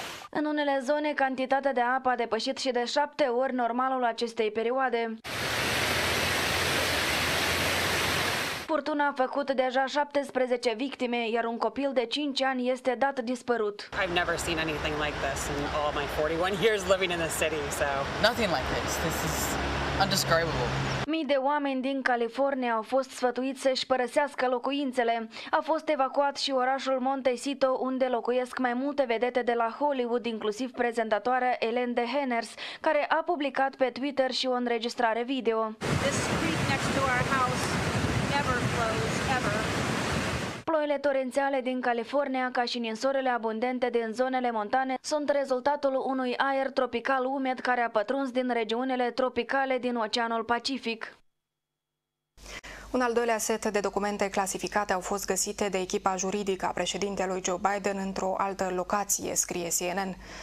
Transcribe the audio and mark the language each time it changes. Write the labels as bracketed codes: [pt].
[ro] În unele zone, cantitatea de apă a depășit și de 7 ori normalul acestei perioade. Furtuna a făcut deja 17 victime, iar un copil de 5 ani este dat dispărut. [en] I've never seen anything like this in all my 41 years living in this city, so nothing like this. This is indescribable. [ro] Mii de oameni din California au fost sfătuiți să-și părăsească locuințele. A fost evacuat și orașul Montecito, unde locuiesc mai multe vedete de la Hollywood, inclusiv prezentatoarea Ellen DeGeneres, care a publicat pe Twitter și o înregistrare video. [en] This street next to our house never flows, ever. [ro] Ploile torențiale din California, ca și ninsorile abundente din zonele montane, sunt rezultatul unui aer tropical umed care a pătruns din regiunile tropicale din Oceanul Pacific. Un al doilea set de documente clasificate au fost găsite de echipa juridică a președintelui Joe Biden într-o altă locație, scrie CNN.